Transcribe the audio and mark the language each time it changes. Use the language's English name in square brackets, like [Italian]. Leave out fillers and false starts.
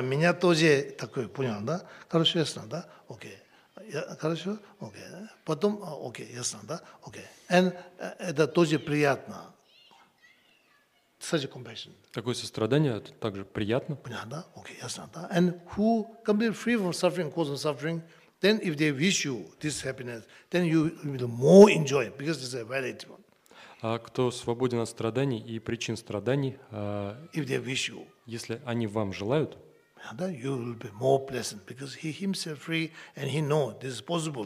[Russian] Меня тоже такое, понял, да? Хорошо, ясно, да? Окей. Хорошо? Окей. Потом, окей, ясно, да? Окей. Это тоже приятно. [English] Such a compassion. [Russian] Такое сострадание, это также приятно. Понятно, да? Окей, ясно, да? [English] And who can be free from suffering, cause of suffering, then if they wish you this happiness, then you will more enjoy it, because it's a valid one. [Russian] Кто свободен от страданий и причин страданий, [English] if they wish you. [Russian] Если они вам желают, [English] you will be more pleasant because he himself free and he know this is possible.